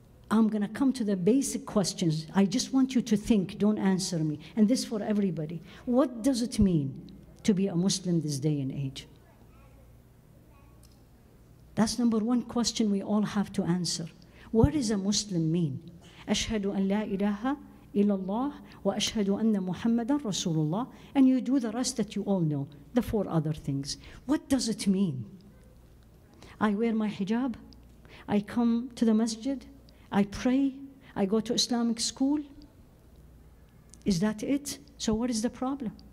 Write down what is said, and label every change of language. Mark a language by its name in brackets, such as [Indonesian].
[English] I'm going to come to the basic questions. I just want you to think, don't answer me. And this for everybody. What does it mean to be a Muslim this day and age? That's number one question we all have to answer. What does a Muslim mean? [Arabic] أشهد أن لا إله إلا الله وأشهد أن محمدا رسول الله. [English] And you do the rest that you all know, the four other things. What does it mean? I wear my hijab, I come to the masjid, I pray, I go to Islamic school. Is that it? So what is the problem?